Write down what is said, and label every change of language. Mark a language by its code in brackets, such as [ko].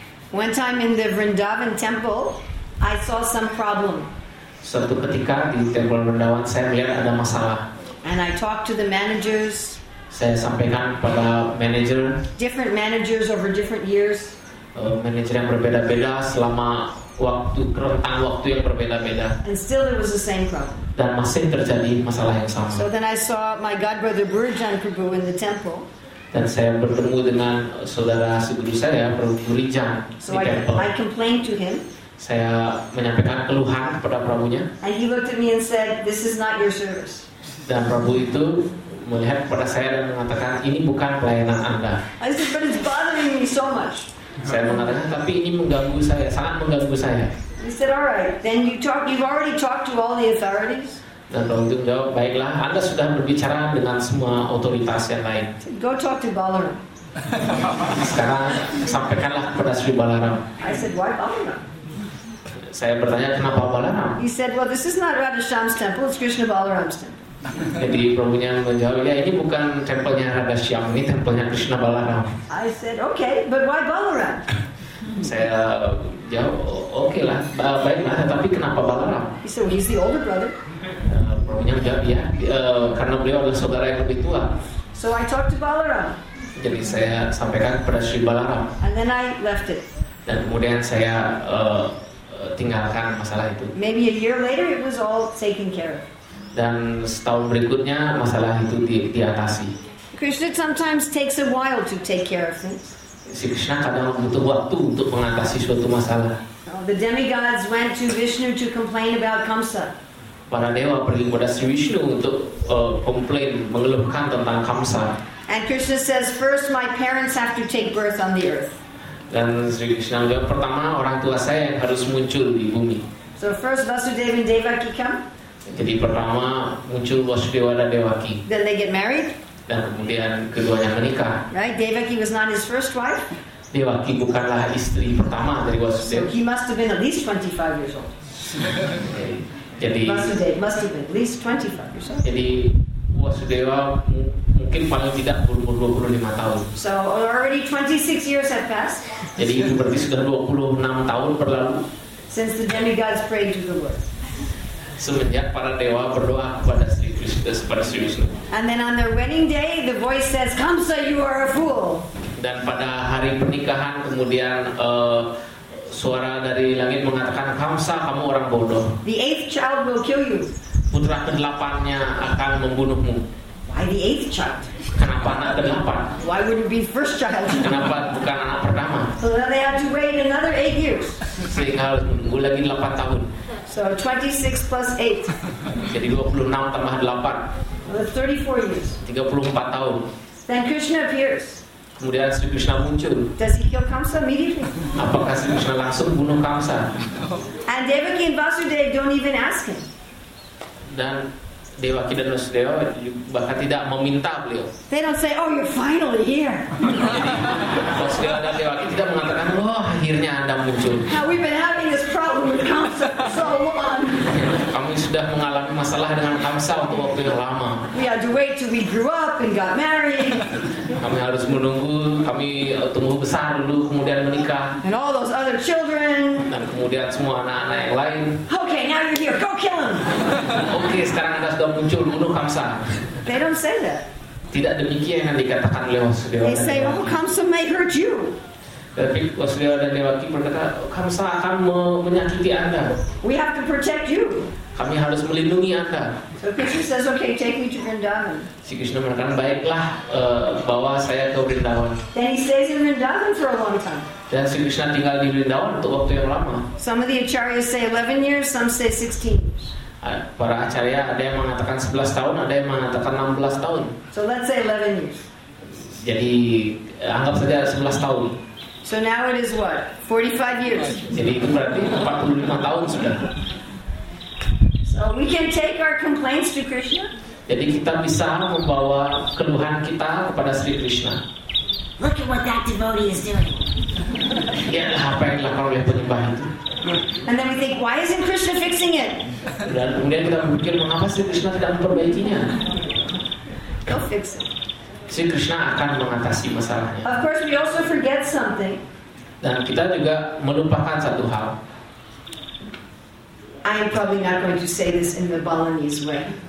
[en] One time in the Vrindavan temple, I saw some problem. [id] Suatu ketika di Temple Vrindavan saya melihat ada masalah. [en] And I talked to the managers. [id] Saya sampaikan kepada manager. [en] Different managers over different years. [id] Manager yang berbeda-beda selama waktu rentang waktu yang berbeda-beda. [en] And still there was the same problem. [id] Dan masih terjadi masalah yang sama. [en] So then I saw my god brother Burijan Prabhu in the temple. [id] Dan saya bertemu dengan saudara seguru saya, Prabhu Burijan, [en] so [id] di temple. [en] I complained to him. [id] Saya menyampaikan keluhan kepada Prabhunya. [en] And he looked at me and said, "This is not your service." [id] Dan Prabhu itu melihat kepada saya dan mengatakan, "Ini bukan pelayanan Anda." [en] I said, "But it's bothering me so much." [id] Saya mengatakan, "Tapi ini mengganggu saya, sangat mengganggu saya." [en] He said, "All right, then you talk. You've already talked to all the authorities." [id] Dan Prabhu itu menjawab, "Baiklah, Anda sudah berbicara dengan semua otoritas yang lain." [en] Go talk to Balaram. [id] Sekarang sampaikanlah kepada Sri Balaram. [en] I said, "Why Balaram?" [id] Saya bertanya, "Kenapa Balaram?" [en] He said, "Well, this is not Radhashyam's temple, it's Krishna Balaram's temple." [id] Jadi Prabhunya menjawab, "Ya, ini bukan tempelnya Radhashyam, ini tempelnya Krishna Balaram." [en] I said, "Okay, but why Balaram?" [id] Saya jawab, "Okay lah, baiklah, tapi kenapa Balaram?" [en] He said, "Well, he's the older brother." [id] Prabhunya menjawab, "Ya, karena beliau adalah saudara yang lebih tua." [en] So I talked to Balaram. [id] Jadi saya sampaikan kepada Sri Balaram. [en] And then I left it. [id] Dan kemudian saya tinggalkan masalah itu. [en] Maybe a year later it was all taken care of. [id] Dan setahun berikutnya masalah itu diatasi. [en] Krishna sometimes takes a while to take care of things. [id] Si Krishna kadang butuh waktu untuk mengatasi suatu masalah. [en] Oh, the demigods went to Vishnu to complain about Kamsa. [id] Para dewa pergi kepada Sri Vishnu untuk komplain, mengeluhkan tentang Kamsa. [en] And Krishna says, first my parents have to take birth on the earth. [id] Dan Sri Krishna menjawab, pertama orang tua saya yang harus muncul di bumi. [en] So first Vasudeva and Devaki come. [id] Jadi pertama muncul Vasudeva dan Devaki. [en] Then they get married. [id] Dan kemudian keduanya menikah. [en] Right, Devaki was not his first wife. [id] Devaki bukanlah istri pertama dari Vasudeva. [en] So he must have been at least 25 years old. [id] Jadi [en] Vasudeva must have been at least 25 years old. [id] Jadi Vasudeva mungkin paling tidak umur 25 tahun. [en] So already 26 years have passed. [id] Jadi itu berarti sudah 26 tahun berlalu. [en] Since the demigods prayed to the Lord. [id] Semenjak para dewa berdoa kepada Sri Krishna, kepada Sri Krishna. [en] And then on their wedding day, the voice says, "Kamsa, you are a fool." [id] Dan pada hari pernikahan kemudian suara dari langit mengatakan, "Kamsa, kamu orang bodoh." [en] The eighth child will kill you. [id] Putra kedelapannya akan membunuhmu. [en] Why the eighth child? [id] Kenapa anak kedelapan? [en] Why would it be first child? [id] Kenapa bukan anak pertama? [en] So now they have to wait another 8 years. [id] Sehingga harus menunggu lagi 8 tahun. [en] So 26 plus 8. [id] Jadi 26 tambah 8. [en] Well, 34 years. [id] 34 tahun. [en] Then Krishna appears. [id] Kemudian Sri Krishna muncul. [en] Does he kill Kamsa immediately? [id] Apakah Sri Krishna langsung bunuh Kamsa? [en] And Devaki and Vasudev don't even ask him. [id] Dan Devaki dan Vasudeva bahkan tidak meminta beliau. [en] They don't say, "Oh, you're finally here." [id] Vasudeva dan Devaki tidak mengatakan, "Oh, akhirnya Anda muncul." [en] Now we've been having this problem with Kamsa so long. [id] Kami sudah mengalami masalah dengan Kamsa untuk waktu yang lama. [en] We had to wait till we grew up and got married. [id] Kami harus menunggu, kami tumbuh besar dulu kemudian menikah. [en] And all those other children. [id] Dan kemudian semua anak-anak yang lain. [en] Okay, now you're here. Go kill him. [id] Okay, sekarang Anda sudah muncul, bunuh Kamsa. [en] They don't say that. [id] Tidak demikian yang dikatakan oleh Vasudeva. [en] They say, "Oh, Kamsa may hurt you." [id] Tapi Vasudeva dan Devaki berkata, "Kamsa akan menyakiti Anda." [en] We have to protect you. [id] Kami harus melindungi Anda. [en] So Krishna says, "Okay, take me to Vrindavan." [id] Si Krishna mengatakan, "Baiklah, bawa saya ke Vrindavan." [en] Then he stays in Vrindavan for a long time. [id] Dan si Krishna tinggal di Vrindavan untuk waktu yang lama. [en] Some of the acharyas say 11 years, some say 16. [id] Para acharya ada yang mengatakan 11 tahun, ada yang mengatakan 16 tahun. [en] So let's say 11 years. [id] Jadi anggap saja 11 tahun. [en] So now it is what? 45 years. [id] Jadi itu berarti 45 tahun sudah. [en] So we can take our complaints to Krishna. [id] Jadi kita bisa membawa keluhan kita kepada Sri Krishna. [en] Look at what that devotee is doing. [id] Ya, apa yang dilakukan oleh penyembah itu? [en] And then we think, why isn't Krishna fixing it? [id] Dan kemudian kita berpikir, mengapa Sri Krishna tidak memperbaikinya? [en] He'll fix it. [id] Sri Krishna akan mengatasi masalahnya. [en] Of course, we also forget something. [id] Dan kita juga melupakan satu hal. [en] I am probably not going to say this in the Balinese way.